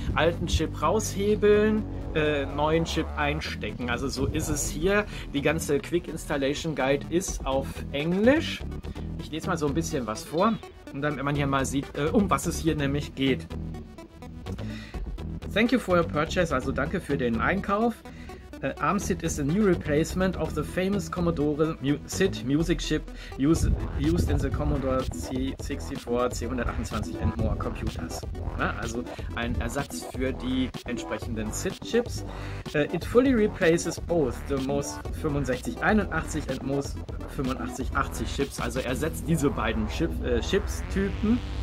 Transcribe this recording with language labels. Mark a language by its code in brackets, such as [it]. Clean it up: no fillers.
[de] Alten Chip raushebeln, neuen Chip einstecken. Also so ist es hier. Die ganze Quick-Installation-Guide ist auf Englisch. Ich lese mal so ein bisschen was vor und dann, wenn man hier mal sieht, um was es hier nämlich geht. [en] Thank you for your purchase, [de] also danke für den Einkauf. [en] Armsit is a new replacement of the famous Commodore SID music chip used in the Commodore C64, C128 and more computers. [de] Ja, also ein Ersatz für die entsprechenden SID-Chips. [en] It fully replaces both the MOS 6581 and MOS 8580 chips. [de] Also ersetzt diese beiden Chips-Tüten.